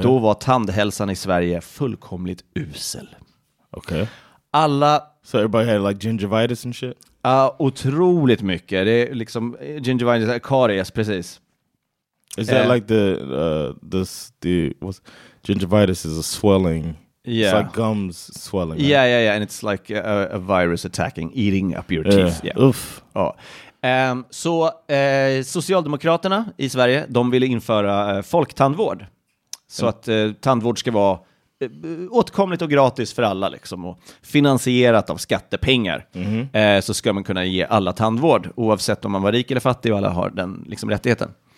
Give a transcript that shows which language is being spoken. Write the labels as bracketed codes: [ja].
[sv] Då var tandhälsan i Sverige fullkomligt usel. [en] Okay. [sv] Alla... [en] So everybody had like gingivitis and shit? [sv] Otroligt mycket. Det är liksom gingivitis, karies, precis. [en] Is that like the gingivitis is a swelling? Yeah. It's like gums swelling. Right? Yeah, yeah, yeah. And it's like a virus attacking, eating up your teeth. Yeah. Uff. [sv] Ja. Så Socialdemokraterna i Sverige, de ville införa folktandvård. Så att tandvård ska vara åtkomligt och gratis för alla liksom, och finansierat av skattepengar. Mm-hmm. Så ska man kunna ge alla tandvård oavsett om man var rik eller fattig, och alla har den liksom rättigheten.